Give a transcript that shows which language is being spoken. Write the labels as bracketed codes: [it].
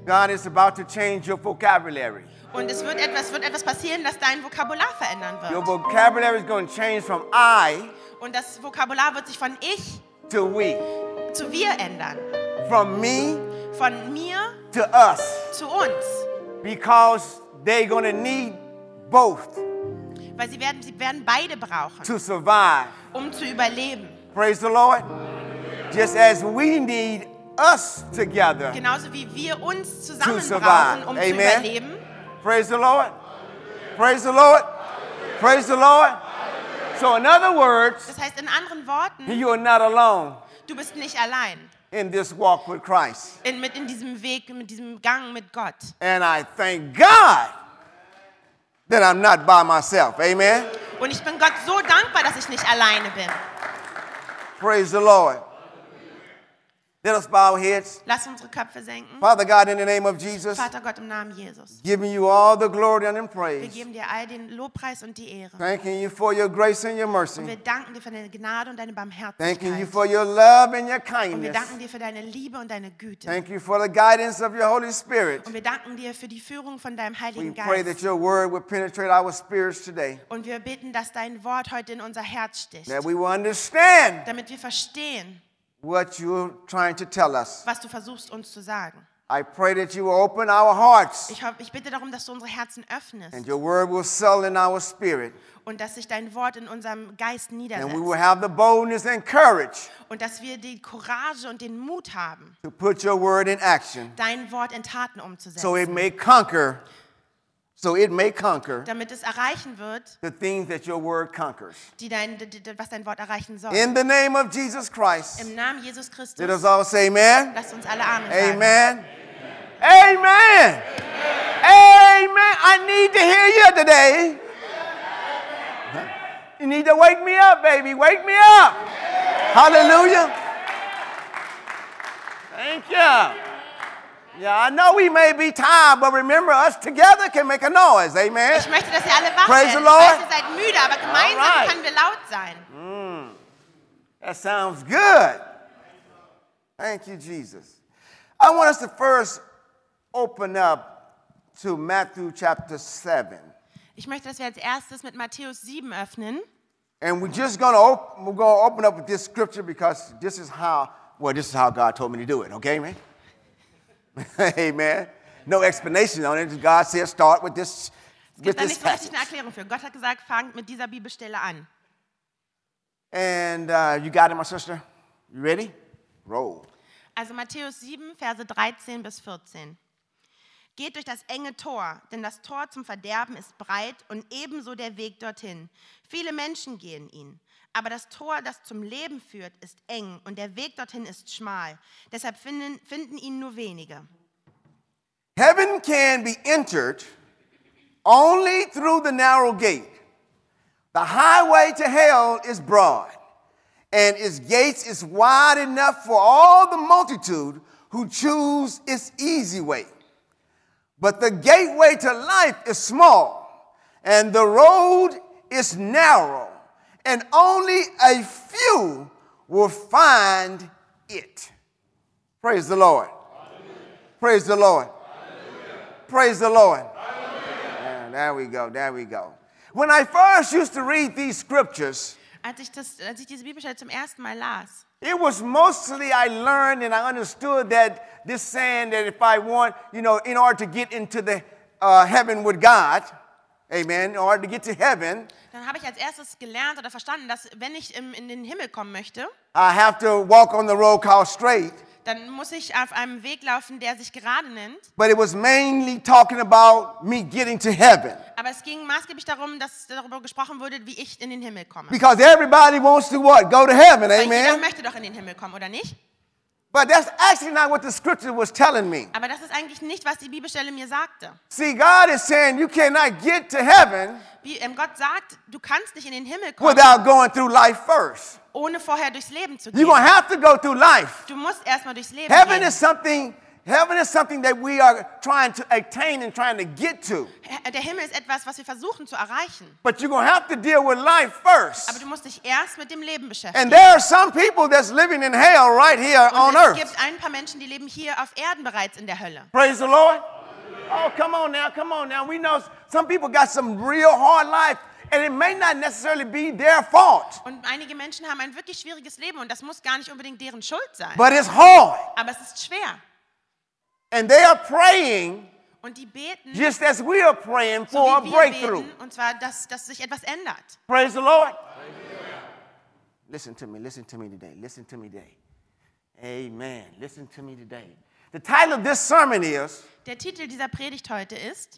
[en] God is about to change your vocabulary. [de] Und es wird etwas passieren, dass dein Vokabular verändern wird. [en] Your vocabulary is going to change from I. [de] Und das Vokabular wird sich von ich [en] to we. [de] Zu wir ändern. [en] From me [de] von mir [en] to us. [de] Zu uns. [en] Because they're going to need both. [de] Weil sie werden beide brauchen. [en] To survive. [de] Um zu überleben. [en] Praise the Lord. Just as we need us together. [de] Genauso wie wir uns zusammen [en] to survive. [de] Brauchen, um [en] Amen. [de] Zu überleben. [en] Praise the Lord. Praise the Lord. Praise the Lord. So in other words, [de] das heißt in anderen Worten, [en] you are not alone. [de] Du bist nicht allein. [en] In this walk with Christ. [de] In diesem Weg, mit diesem Gang mit Gott. [en] And I thank God that I'm not by myself. Amen. [de] Und ich bin Gott so dankbar, dass ich nicht alleine bin. [en] Praise the Lord. Let us bow our heads. [de] Lass unsere Köpfe senken. [en] Father God, in the name of Jesus. [de] Vater Gott, im Namen Jesus. [en] Giving you all the glory and praise. [de] Wir geben dir all den Lobpreis und die Ehre. [en] Thanking you for your grace and your mercy. [de] Und wir danken dir für deine Gnade und deine Barmherzigkeit. [en] Thanking you for your love and your kindness. [de] Und wir danken dir für deine Liebe und deine Güte. [en] Thank you for the guidance of your Holy Spirit. [de] Und wir danken dir für die Führung von deinem Heiligen Geist. [en] We pray that your word will penetrate our spirits today. [de] Und wir bitten, dass dein Wort heute in unser Herz sticht. [en] That we will understand. [de] Damit wir verstehen. [en] What you're trying to tell us. [de] Was du versuchst uns zu sagen. [en] I pray that you will open our hearts. [de] Ich bitte darum, dass du unsere Herzen öffnest. [en] And your word will settle in our spirit. [de] Und dass sich dein Wort in unserem Geist niedersetzt. [en] And we will have the boldness and courage. [de] Und dass wir die Courage und den Mut haben. [en] To put your word in action. [de] Dein Wort in Taten umzusetzen. [en] So it may conquer. So it may conquer. [de] Damit es erreichen wird. [en] The things that your word conquers. [de] Was dein Wort erreichen soll. [en] In the name of Jesus Christ. [de] Im Namen Jesus Christus. [en] Let us all say amen. [de] Lasst uns alle Amen sagen. Amen. Amen. Amen. [en] I need to hear you today. You need to wake me up, baby. Wake me up. Hallelujah. Thank you. Yeah, I know we may be tired, but remember, us together can make a noise. Amen. [de] Ich möchte, dass ihr alle wach [en] Praise [de] werden. [en] The Lord. [de] Ihr seid müde, aber gemeinsam [en] All right. [de] können wir laut sein. [en] Mm. That sounds good. Thank you, Jesus. I want us to first open up to Matthew chapter 7. [de] Ich möchte, dass wir als erstes mit Matthäus 7 öffnen. [en] And we're just gonna open up with this scripture because this is how, well, this is how God told me to do it. Okay, man? Amen. No explanation on it. God says, start with this. [de] Es gibt da nicht richtig eine Erklärung für. Gott hat gesagt, fangt mit dieser Bibelstelle an. [en] And you got it, my sister? You ready? Roll. [de] Also Matthäus 7, Verse 13 bis 14. Geht durch das enge Tor, denn das Tor zum Verderben ist breit und ebenso der Weg dorthin. Viele Menschen gehen ihn, aber das Tor, das zum Leben führt, ist eng und der Weg dorthin ist schmal. Deshalb finden ihn nur wenige. [en] Heaven can be entered only through the narrow gate. The highway to hell is broad, and its gates is wide enough for all the multitude who choose its easy way. But the gateway to life is small, and the road is narrow, and only a few will find it. Praise the Lord. Hallelujah. Praise the Lord. Hallelujah. Praise the Lord. Hallelujah. Yeah, there we go, there we go. When I first used to read these scriptures, [de] als ich diese Bibelstelle zum ersten Mal las, [en] it was mostly I learned and I understood that this saying that if I want, you know, in order to get into the heaven with God, amen, in order to get to heaven, [de] dann habe ich als erstes gelernt oder verstanden, dass wenn ich in den Himmel kommen möchte, [en] I have to walk on the road called straight. [de] Dann muss ich auf einem Weg laufen, der sich gerade nennt. [en] But it was mainly talking about me getting to heaven. [de] Aber es ging maßgeblich darum, dass darüber gesprochen wurde, wie ich in den Himmel komme. [en] Because everybody wants to what? Go to heaven, amen? [de] Weil jeder möchte doch in den Himmel kommen, oder nicht? [en] But that's actually not what the scripture was telling me. [de] Aber das ist eigentlich nicht, was die Bibelstelle mir sagte. [en] See, God is saying you cannot get to heaven. [de] Gott sagt, du kannst nicht in den Himmel kommen. [en] Without going through life first. [de] Ohne vorher durchs Leben zu gehen. [en] You're gonna have to go through life. [de] Du musst erstmal durchs Leben [en] heaven [de] gehen. [en] Is something. Heaven is something that we are trying to attain and trying to get to. [de] Der Himmel ist etwas, was wir versuchen zu erreichen. [en] But you're gonna have to deal with life first. [de] Aber du musst dich erst mit dem Leben beschäftigen. [en] And there are some people that's living in hell right here on earth. [de] Und es gibt ein paar Menschen, die leben hier auf Erden bereits in der Hölle. [en] Praise the Lord. Oh, come on now, come on now. We know some people got some real hard life. And it may not necessarily be their fault. [de] Und einige Menschen haben ein wirklich schwieriges Leben und das muss gar nicht unbedingt deren Schuld sein. [en] But it's hard. [de] Aber es ist schwer. [en] And they are praying. [de] Und die beten. [en] Just as we are praying for a breakthrough. [de] Und zwar, dass sich etwas ändert. [en] Praise the Lord. Amen. Listen to me today. Amen. Listen to me today. The title of this sermon is. [de] Der Titel dieser Predigt heute ist.